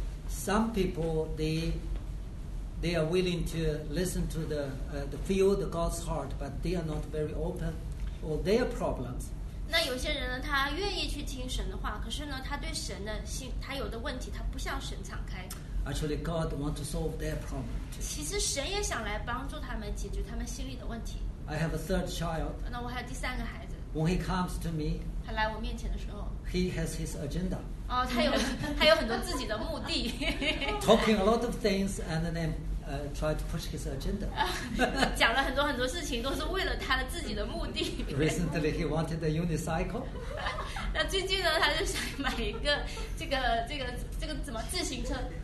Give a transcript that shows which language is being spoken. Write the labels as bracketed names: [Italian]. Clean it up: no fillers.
[English] ？Some people they are willing to listen to the feel the God's heart, but they are not very open or their problems. [Chinese] 那有些人呢，他愿意去听神的话，可是呢，他对神的心，他有的问题，他不向神敞开。 [English] Actually, God wants to solve their problem. [Chinese] 其实神也想来帮助他们解决他们心里的问题。 [English] I have a 3rd child. [Chinese] 那我还有第三个孩子。 [English] When he comes to me, [Chinese] 他来我面前的时候 [English] he has his agenda. [Chinese] 他有很多自己的目的 [English] Talking a lot of things and then try to push his agenda. [Chinese] 讲了很多很多事情，都是为了他的自己的目的。 [English] Recently, he wanted a unicycle. [Chinese] 那最近呢，他就想买一个这个怎么自行车？